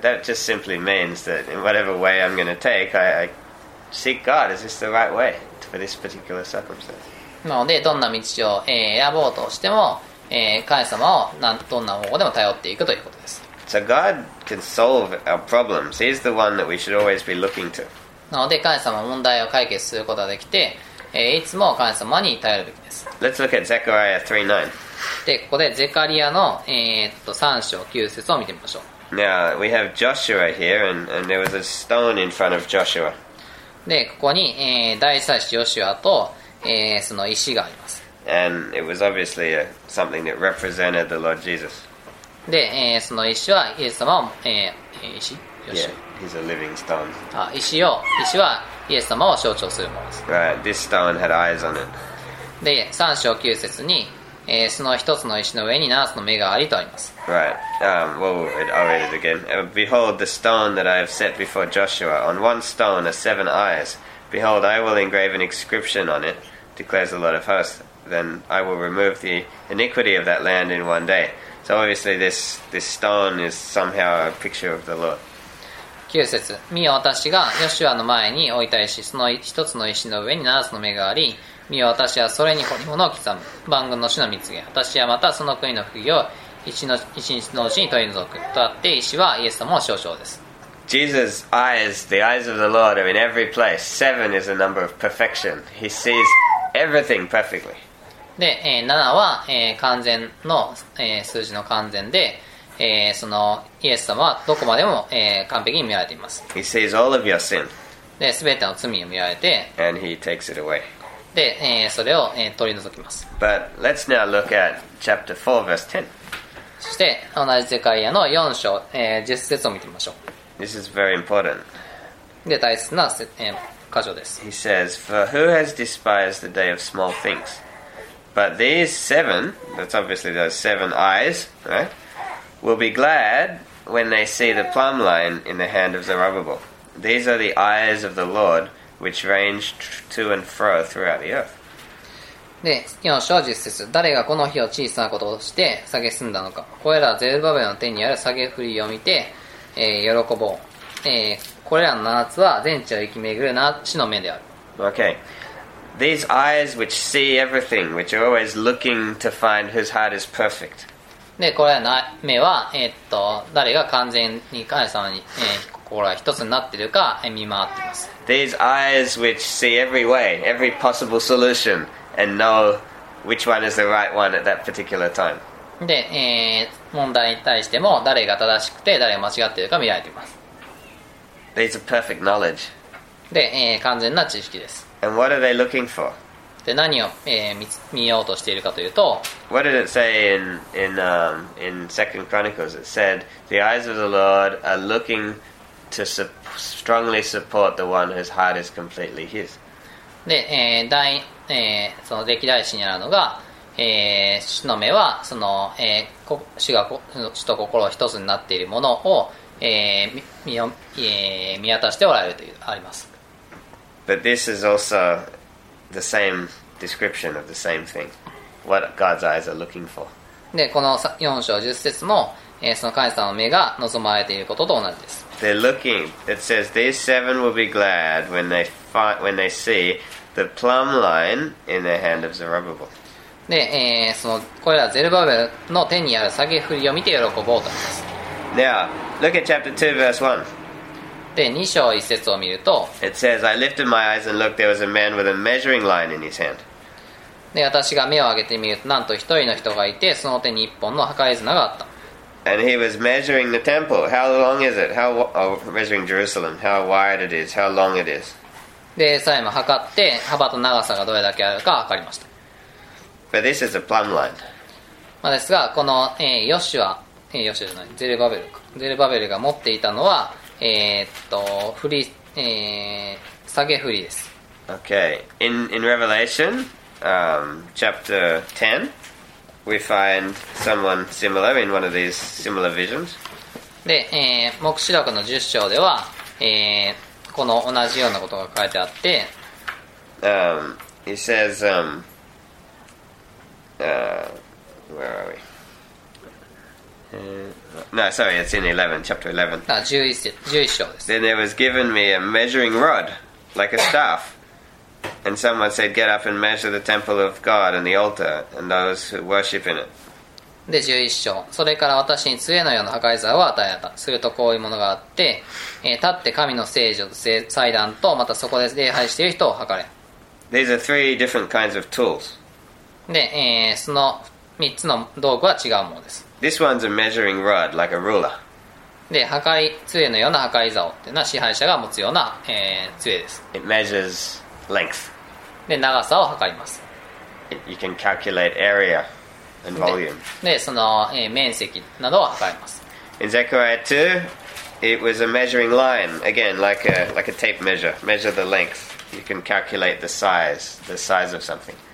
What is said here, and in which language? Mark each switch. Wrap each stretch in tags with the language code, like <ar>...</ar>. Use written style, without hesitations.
<en>That just simply means that in whatever way I'm going to take, I seek God. Is this the right way? For this particular circumstance.</en> <ja>なので、どんな道を、選ぼうとしても、神様をどんな方法でも頼っていくということです。</ja> <en>So God can solve our problems. He's the one that we should always be looking to.</en> <ja>なので、神様は問題を解決することができて、いつも神様に頼るべきです。</ja> <en>Let's look at Zechariah 3:9.</en> <ja>で、ここでゼカリアの、3章9節を見てみましょう。</ja> <en>Now, we have Joshua here, and there was a stone in front of Joshua.</en> <ja>で、ここに、大祭司ヨシュアと、その石があります。</ja> <en>And it was obviously something that represented the Lord Jesus.</en> <ja>で、その石はイエス様を、石ヨシュア。</ja> <en>Yeah, He's a living stone.</en> <ja>Ah, 石を、石はイエス様を象徴するものです。</ja> <en>Right, this stone had eyes on it.</en> <ja>で、3章9節に、その一つの石の上に7つの目がありとあります。</ja> <en>Right, I'll read it again. Behold, the stone that I have set before Joshua, on one stone are seven eyes. Behold, I will engrave an inscription on it, declares the Lord of hosts. Then I will remove the iniquity of that land in one day. So obviously this stone is somehow a picture of the Lord.</en> <ja>9節、見よ、私がヨシュアの前に置いた石、その一つの石の上に七つの目があり、見よ、私はそれに彫り物を刻む。万軍の主の御告げ、私はまたその国の不義を一日のうちに取り除く。とあって、石はイエス様の象徴です。</ja> <en>Jesus' eyes, the eyes of the Lord, are in every place. Seven is a number of perfection. He sees everything perfectly.</en> <ja>で、七は、完全の、数字の完全で、そのイエス様はどこまでも、完璧に見られています。</ja> <en>He sees all of your sin.</en> <ja>で、全ての罪を見られて、</ja> <en>And he takes it away.</en> <ja>で、それを、取り除きます。</ja> <en>But let's now look at chapter 4, verse 10.</en> <ja>そして、同じゼカリアの4章、10節を見てみましょう。</ja> <en>This is very important.</en> <ja>で、大切な、箇所です。</ja> <en>He says, For who has despised the day of small things? But these seven, that's obviously those seven eyes, right? Will be glad when they see the plumb line in the hand of Zerubbabel. These are the eyes of the Lord, which range to and fro throughout the earth.</en> <ja>で、今章十節、誰がこの日を小さなことをして蔑んだのか。これらゼルバベルの手にある蔑ふりを見て、喜ぼう。これらの七つは全地を行き巡る主の目である。</ja> <en>Okay. These eyes which see everything, which are always looking to find whose heart is perfect.</en> <ja>で、これらの目は、誰が完全に神様に、心が一つになっているか見回っています。</ja> <en>These eyes which see every way, every possible solution, and know which one is the right one at that particular time.</en> <ja>で、問題に対しても誰が正しくて誰が間違っているか見られています。</ja> <en>These are perfect knowledge.</en> <ja>で、完全な知識です。</ja> <en>And what are they looking for?</en> <ja>で何を、見ようとしているかというと、</ja> <en>What did it say in 2 Chronicles? It said, The eyes of the Lord are looking to strongly support the one whose heart is completely His.</en> <ja>で、その歴代史にあるのが、主の目は、その、主が主と心を一つになっているものを、見渡しておられるというあります。</ja> <en>But this is also... The same description of the same thing. What God's eyes are looking for.</en> <ja>で、この4章10節も、その神様の目が望まれていることと同じです。</ja> <en>They're looking. It says, These seven will be glad when they see the plumb line in the hand of Zerubbabel.</en> <ja>で、その、これらゼルバベルの手にある蔑ふりを見て喜ぼうとあります。</ja> <en>Now, look at chapter 2, verse 1.</en> <ja>で、2章1節を見ると、</ja> <en>It says, I lifted my eyes and looked, there was a man with a measuring line in his hand.</en> <ja>で、私が目を上げてみると、なんと一人の人がいて、その手に一本の測り綱があった。</ja> <en>And he was measuring the temple. How long is it? Measuring Jerusalem. How wide it is. How long it is.</en> <ja>で、さえも測って、幅と長さがどれだけあるか測りました。</ja> <en>But this is a plumb line.</en> <ja>まあですが、この、ヨシュア、ヨシュアじゃない、ゼルバベル。ゼルバベルが持っていたのは、振り、下げ振りです。</ja> <en>Okay. In Revelation, chapter 10, we find someone similar in one of these similar visions.</en> <ja>で、黙示録の10章では、この同じようなことが書いてあって、</ja> <en>he says, where are we? No, sorry, it's in 11, chapter 11.</en> <ja>Ah, 11 章.</ja> <en>Then there was given me a measuring rod, like a staff. And someone said, get up and measure the temple of God and the altar, and those who worship in it.</en> <ja>で、11章。それから私に杖のような破壊座を与えた。するとこういうものがあって、立って神の聖女と祭壇と、またそこで礼拝している人を測れ。</ja> <en>These are three different kinds of tools.</en> <ja>で、その3つの道具は違うものです。</ja> <en>This one's a measuring rod, like a ruler.</en> <ja>で、測り杖のような測り竿っていうのは支配者が持つような、杖です。</ja> <en>It measures length.</en> <ja>で、長さを測ります。</ja> <en>You can calculate area and volume.</en> <ja>で、その、面積などを測ります。</ja> <en>In Zechariah 2, It was a measuring line, again, like a tape measure. Measure the length. You can calculate the size of something.</en>